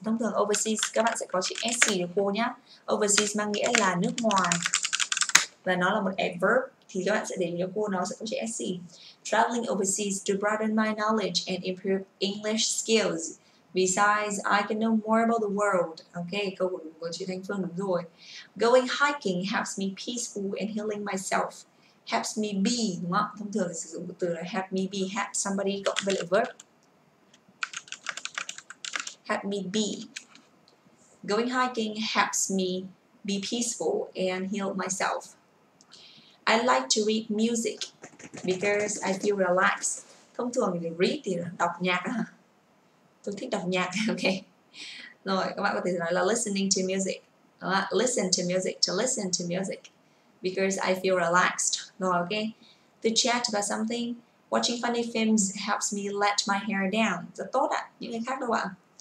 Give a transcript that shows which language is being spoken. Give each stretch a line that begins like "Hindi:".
Vietnamese: Thông thường overseas các bạn sẽ có chữ SC được cô nhé. Overseas mang nghĩa là nước ngoài. Và nó là một adverb, thì các bạn sẽ để cho cô nó sẽ có chữ SC.
English: Traveling overseas to broaden my knowledge and improve English skills. Besides, I can know more about the world.
Vietnamese: Okay, câu của đúng của chị Thanh Phương đúng rồi.
English: Going hiking helps me peaceful and healing myself. Helps me be, đúng không?
Vietnamese: Thông thường sử dụng từ là
English: help me be, help somebody
Vietnamese: cộng với lại verb.
English: Help me be. Going hiking helps me be peaceful and heal myself. I like to read music because I feel relaxed.
Vietnamese: Thông thường thì read thì là đọc nhạc hả? Tôi thích đọc nhạc, ok. Rồi, các bạn có thể nói là
English: listening to music. To listen to music. Because I feel relaxed. Rồi, ok. To chat about something. Watching funny films helps me let my hair down.
Vietnamese: Rất tốt ạ. Những người khác đâu ạ?